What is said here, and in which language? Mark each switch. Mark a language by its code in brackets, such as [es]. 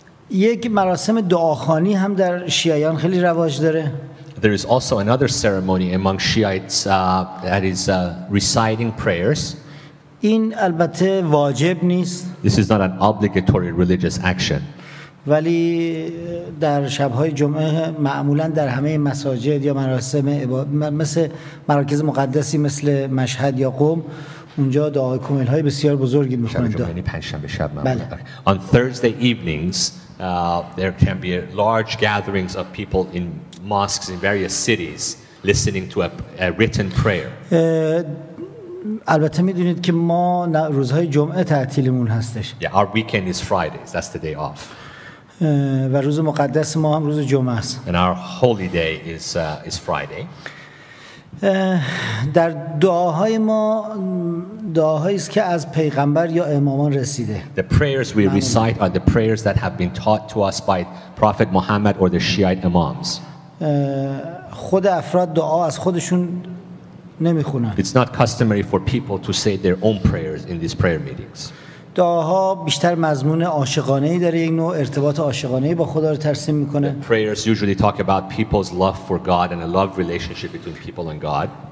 [fa] یک مراسم دعاخوانی هم در شیعیان خیلی رواج داره. [en] There is also another ceremony among Shiites that is reciting prayers. [fa] این البته واجب نیست. [en] This is not an obligatory religious action. [fa] ولی در شب‌های جمعه معمولاً در همه مساجد یا مراسم مثل مراکز مقدسی مثل مشهد یا قم اونجا دعای کمیل‌های بسیار بزرگی می‌خونند. شب جمعه یعنی پنجشنبه شب معمولاً. بله. [en] On Thursday evenings there can be large gatherings of people in mosques in various cities listening to a written prayer. [fa] البته می‌دونید که ما روزهای جمعه تعطیلمون هستش. [en] Yeah, our weekend is Fridays. That's the day off. [fa] و روز مقدس ما هم روز جمعه است. [en] And our holy day is Friday. [fa] در دعاهای ما دعاهایی است که از پیغمبر یا امامان رسیده. [en] The prayers we recite are the prayers that have been taught to us by Prophet Muhammad or the Shiite imams. [fa] خود افراد دعا از خودشون نمیخونن. [en] It's not customary for people to say their own prayers in these prayer meetings. [fa] دعاها بیشتر مضمون عاشقانه‌ای داره، یک نوع ارتباط عاشقانه‌ای با خدا رو ترسیم میکنه. [en] The prayers usually talk about people's love for God and a love relationship between people and God.